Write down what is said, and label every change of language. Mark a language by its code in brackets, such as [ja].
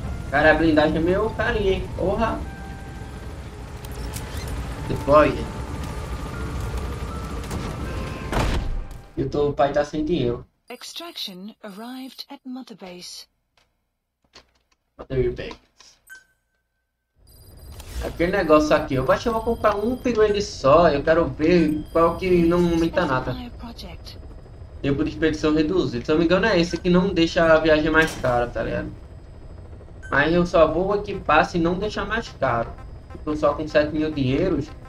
[pt] Cara, a blindagem é meio carinha, hein? Porra! [en] Deploy. [pt] E o teu pai tá sem dinheiro. [en] Extraction arrived at Mother Base. Mother Base. [pt] Aquele negócio aqui, eu acho que eu vou comprar um pirulito só. Eu quero ver qual que não aumenta nada. Tempo de expedição reduzido. Se eu não me engano, é esse que não deixa a viagem mais cara, tá ligado? Mas eu só vou equipar se não deixar mais caro. Tô só com 7 mil dinheiros.